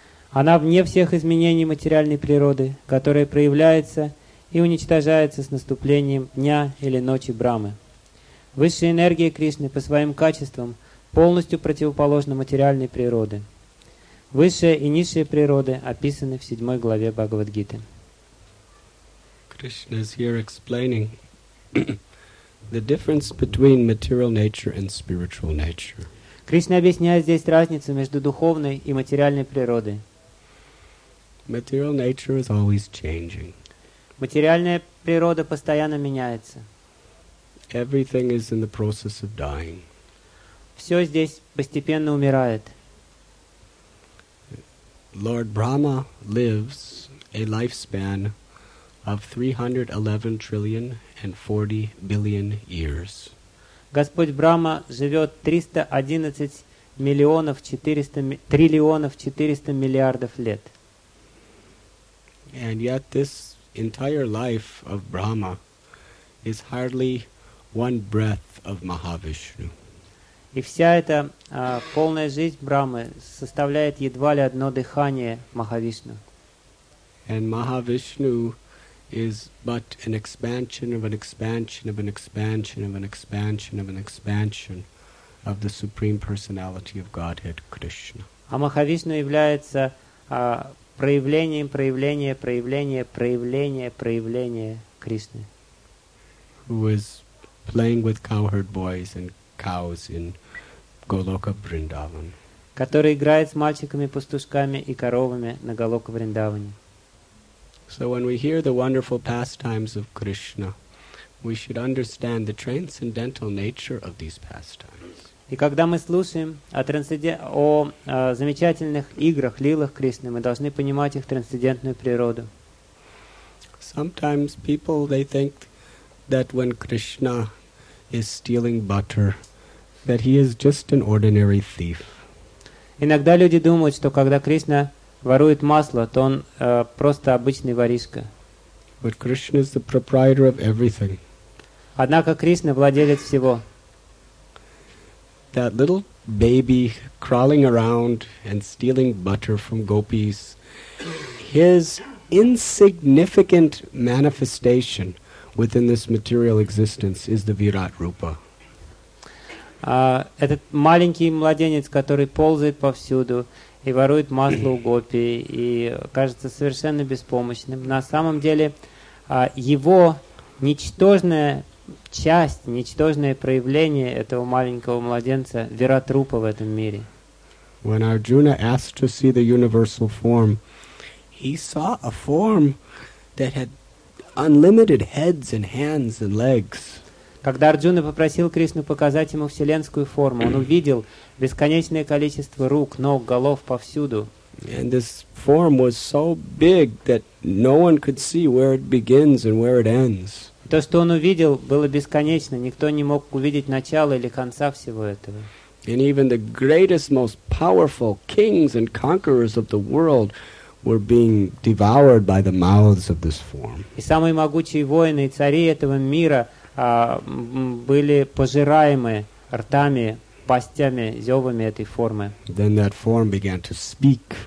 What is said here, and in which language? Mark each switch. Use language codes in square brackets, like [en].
[ru] Она вне всех изменений материальной природы, которая проявляется и уничтожается с наступлением дня или ночи Брахмы. Высшая энергия Кришны по своим качествам полностью противоположна материальной природе. Высшая и низшая природы описаны в 7 главе Бхагавад-гиты. [en] Krishna is here explaining the difference between material nature and spiritual nature. [ru] Кришна объясняет здесь разницу между духовной и материальной природой. [en] Material nature is always changing. [ru] Материальная природа постоянно меняется. [en] Everything is in the process of dying. [ru] Все здесь постепенно умирает. [en] Lord Brahma lives a lifespan of 311 trillion and 40 billion years. [ru] Господь Брахма живет 311 миллионов 400 триллионов 400 миллиардов лет. [en] And yet this entire life of Brahma is hardly one breath of Mahavishnu. [ru] И вся эта полная жизнь Брахмы составляет едва ли одно дыхание Махавишну. [en] And Mahavishnu is but an expansion of an expansion of an expansion of an expansion of an expansion of the Supreme Personality of Godhead, Krishna. [ru] А Махавишну является проявлением, проявление, проявление, проявление, проявление Кришны. [en] Who is playing with cowherd boys and cows in Goloka Vrindavan. [ru] Который играет с мальчиками, пастушками и коровами на Голока Вриндаване. [en] So when we hear the wonderful pastimes of Krishna, we should understand the transcendental nature of these pastimes. [ru] И когда мы слушаем о замечательных играх, лилах Кришны, мы должны понимать их трансцендентную природу. [en] Sometimes people, they think that when Krishna is stealing butter, that he is just an ordinary thief. [ru] Иногда люди думают, что когда Кришна ворует масло, то он просто обычный воришка. [en] But Krishna is the proprietor of everything. [ru] Однако Кришна владелец всего. [en] That little baby crawling around and stealing butter from gopis, his insignificant manifestation within this material existence is the Virat Rupa. [ru] Этот маленький младенец, который ползает повсюду и ворует масло у гопи и кажется совершенно беспомощным, на самом деле его ничтожная часть, ничтожное проявление этого маленького младенца – Вират Рупа в этом мире. [en] When Arjuna asked to see the universal form, he saw a form that had unlimited heads and hands and legs. [ru] Когда Арджуна попросил Кришну показать ему вселенскую форму, он увидел бесконечное количество рук, ног, голов повсюду. [en] And this form was so big that no one could see where it begins and where it ends. [ru] То, что он увидел, было бесконечно. Никто не мог увидеть начало или конца всего этого. [en] And even the greatest, most powerful kings and conquerors of the world were being devoured by the mouths of this form. [ru] И самые могучие воины и цари этого мира были пожираемы ртами, пастями, зевами этой формы. [en] Then that form began to speak.